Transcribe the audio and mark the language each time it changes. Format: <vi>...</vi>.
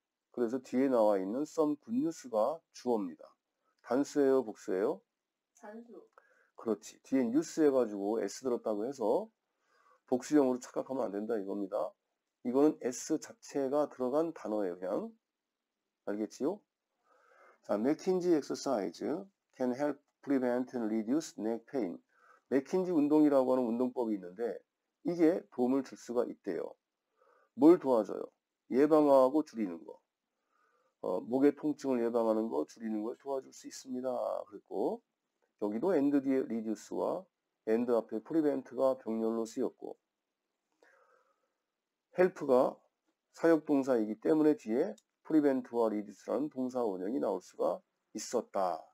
<ko>그래서 뒤에 나와 있는 some good news가 주어입니다. 단수예요 복수예요? 단수. 그렇지. 뒤에 news 해가지고 s 들었다고 해서 복수형으로 착각하면 안 된다 이겁니다. 이거는 s 자체가 들어간 단어예요 그냥. 알겠지요?</ko> <en>자, 맥킨지 엑서사이즈 can help prevent and reduce neck pain.</en> <ko>맥킨지 운동이라고 하는 운동법이 있는데 이게 도움을 줄 수가 있대요. 뭘 도와줘요? 예방하고 줄이는 거. 목의 통증을 예방하는 거, 줄이는 걸 도와줄 수 있습니다. 그리고 여기도 end 뒤에 reduce와 end 앞에 prevent가 병렬로 쓰였고 help가 사역동사이기 때문에 뒤에 프리벤트와 리디스라는 동사 원형이 나올 수가 있었다.</ko>